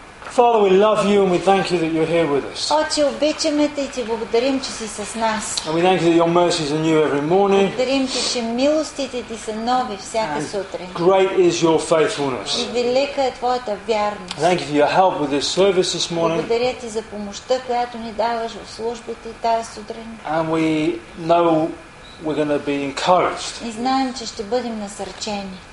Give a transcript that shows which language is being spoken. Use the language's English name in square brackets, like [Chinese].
[English] Father, we love you and we thank you that you're here with us. [Bulgarian] Отче, обичаме те и ти благодарим, че си с нас. [English] And we thank you that your mercies are new every morning. [Bulgarian] Благодарим ти, че милостите ти са нови всяка сутрин. [English] Great is your faithfulness. [Bulgarian] И велика е твоята вярност. [English] Thank you for your help with this service this morning. [Bulgarian] Благодаря ти за помощта, която ни даваш в службите и тази сутрин. [English] And we know we're going to be encouraged. [Bulgarian] И знаем, че ще бъдем насърчени.